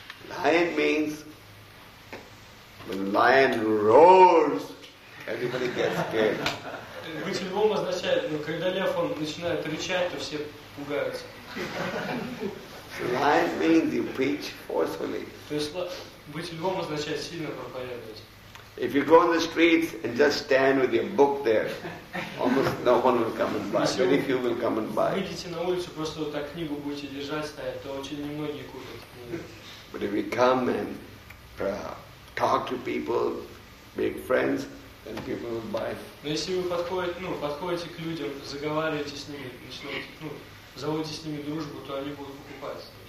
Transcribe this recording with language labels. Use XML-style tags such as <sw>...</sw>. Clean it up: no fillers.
<en>Lion means when the lion roars, everybody gets scared.</en> <ru>Быть львом означает, но когда лев он начинает рычать, то все пугаются.</ru> <en>So lion means you preach forcefully.</en> <ru>То есть быть львом означает сильно проповедовать.</ru> <en>If you go on the streets and just stand with your book there, almost no one will come and buy. Very few will come and buy.</en> <ru>Выйдите на улицу, просто вот так книгу будете держать, стоять, то очень немногие купят.</ru> <en>But if you come and talk to people, make friends, then people will buy.</en> <ru>Но если вы подходите, ну, подходите к людям, заговариваете с ними, начинаете, ну, заводите с ними дружбу, то они будут покупать.</ru>